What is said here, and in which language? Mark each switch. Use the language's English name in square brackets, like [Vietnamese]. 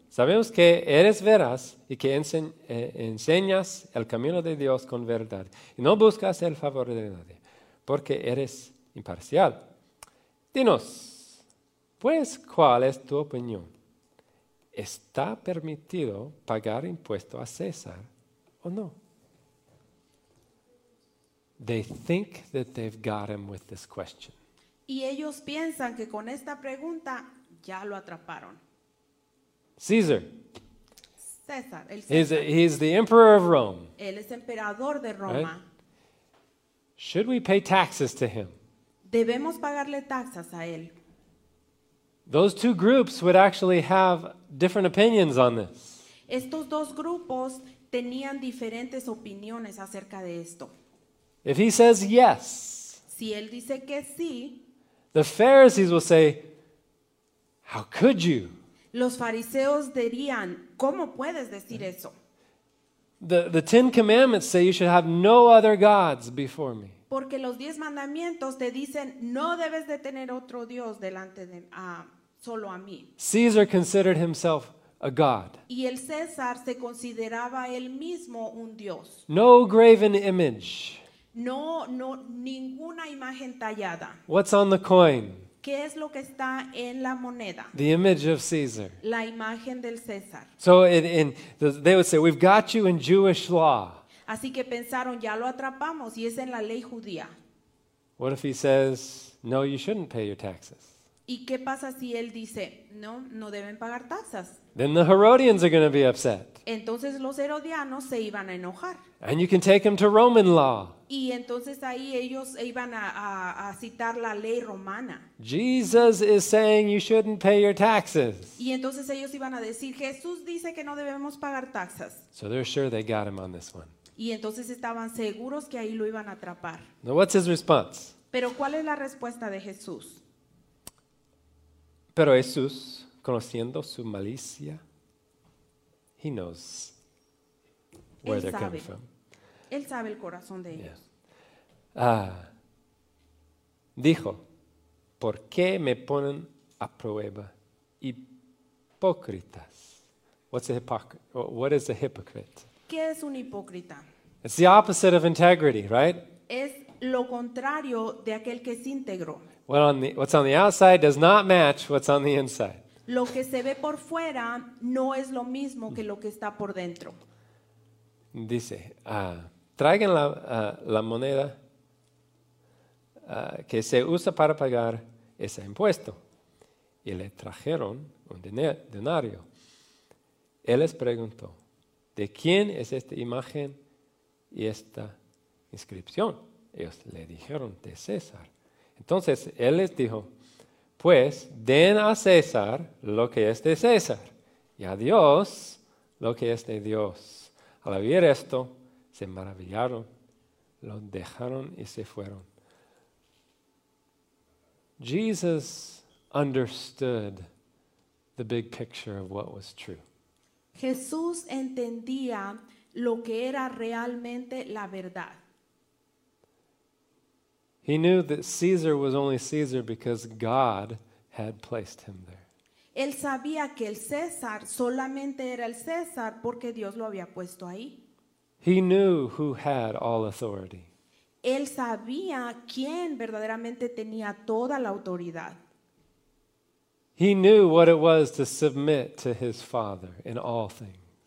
[Spanish] Sabemos que eres veraz y que enseñas el camino de Dios con verdad y no buscas el favor de nadie, porque eres imparcial. Dinos, pues, ¿cuál es tu opinión? ¿Está permitido pagar impuesto a César o no? [English] They think that they've got him with this question. [Spanish] Y ellos piensan que con esta pregunta ya lo atraparon. [English] Caesar. [Spanish] César, el [English] César. He's the emperor of Rome. [Spanish] Él es emperador de Roma. Right? [English] Should we pay taxes to him? [Spanish] Debemos pagarle taxas a él. [English] Those two groups would actually have different opinions on this. [Spanish] Estos dos grupos tenían diferentes opiniones acerca de esto. [English] If he says yes, [Spanish] si él dice que sí, [English] the Pharisees will say, how could you? [Spanish] Los fariseos dirían, ¿cómo puedes decir eso? [English] The Ten Commandments say you should have no other gods before me. [Spanish] Porque los diez mandamientos te dicen, no debes de tener otro dios delante de solo a mí. [English] Caesar considered himself a god. [Spanish] Y el César se consideraba él mismo un dios. [English] No graven image. [Spanish] No, ninguna imagen tallada. [English] What's on the coin? [Spanish] ¿Qué es lo que está en la moneda? [English] The image of Caesar. [Spanish] La imagen del César. [English] So they would say, we've got you in Jewish law. [Spanish] Así que pensaron, ya lo atrapamos y es en la ley judía. [English] What if he says, no, you shouldn't pay your taxes? [Spanish] ¿Y qué pasa si él dice, no, no deben pagar taxas? [English] Then the Herodians are going to be upset. [Spanish] Entonces los herodianos se iban a enojar. [English] And you can take them to Roman law. [Spanish] Y entonces ahí ellos iban a citar la ley romana. [English] Jesus is saying you shouldn't pay your taxes. [Spanish] Y entonces ellos iban a decir, Jesús dice que no debemos pagar taxas. [English] So they're sure they got him on this one. [Spanish] Y entonces estaban seguros que ahí lo iban a atrapar. [English] Now what's his response? [Spanish] Pero ¿cuál es la respuesta de Jesús? Pero Jesús, conociendo su malicia, [English] he knows where [Spanish] él [English] they're [Spanish] sabe. [English] Coming from. [Spanish] Él sabe el corazón de ellos. [English] Yeah. [Spanish] Dijo, ¿por qué me ponen a prueba, hipócritas? [English] What is a hypocrite? [Spanish] ¿Qué es un hipócrita? [English] It's the opposite of integrity, right? [Spanish] Es lo contrario de aquel que es íntegro. [English] What's on the outside does not match what's on the inside. [Spanish] Lo que se ve por fuera no es lo mismo que lo que está por dentro. Dice, traigan la moneda que se usa para pagar ese impuesto. Y le trajeron un denario. Él les preguntó, ¿de quién es esta imagen y esta inscripción? Ellos le dijeron, de César. Entonces, él les dijo, pues, den a César lo que es de César, y a Dios lo que es de Dios. Al oír esto, se maravillaron, lo dejaron y se fueron. [English] Jesus understood the big picture of what was true. [Spanish] Jesús entendía lo que era realmente la verdad. [English] He knew that Caesar was only Caesar because God had placed him there. [Spanish] Él sabía que el César solamente era el César porque Dios lo había puesto ahí. [English] He knew who had all authority. [Spanish] Él sabía quién verdaderamente tenía toda la autoridad. [English] He knew what it was to submit to his Father in all things.